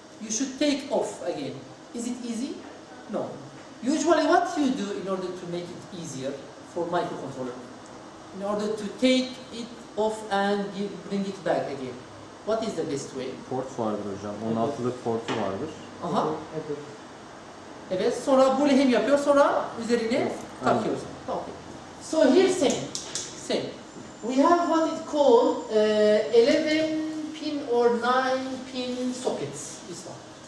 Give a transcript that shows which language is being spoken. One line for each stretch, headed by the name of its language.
English: You should take off again. Is it easy? No. Usually what you do in order to make it easier for microcontroller, in order to take it off and bring it back again, what is the best way?
Turkish: Port vardır hocam, 16'lık portu vardır. Aha. Evet, sonra bu lehim yapıyor, sonra üzerine takıyoruz.
English: Okay. So here same. We have what it called 11 pin or 9 pin sockets, this one.